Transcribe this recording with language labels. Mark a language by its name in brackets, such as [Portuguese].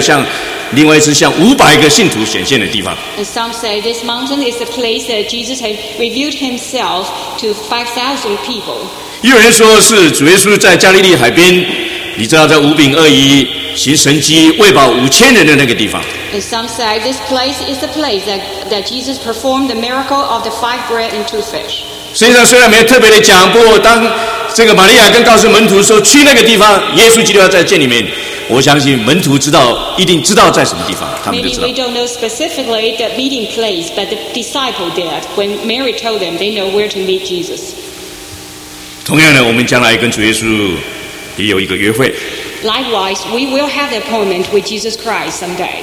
[Chinese] 有人说是这个哥林多前书15章5节，那里主耶稣向所有门徒显现，还有向另外一次向500个信徒显现的地方。 [English] And some say this mountain is the place that Jesus has revealed himself to 5,000 people. [Chinese] 有人说是主耶稣在加利利海边。你知道在五饼二鱼行神迹喂饱5000人的那个地方 [English] And some say this place is the place that Jesus performed the miracle of the 5 bread and 2 fish. [Chinese] 实际上虽然没有特别的讲，不过当这个玛利亚跟告诉门徒说去那个地方，耶稣基督要在见里面，我相信门徒知道，一定知道在什么地方，他们就知道。 [English] Maybe we don't know specifically the meeting place, but the disciple did. When Mary told them, they know where to meet Jesus. [Chinese] 同样的，我们将来跟主耶稣。也有一个约会 [English] Likewise, we will have an appointment with Jesus Christ someday.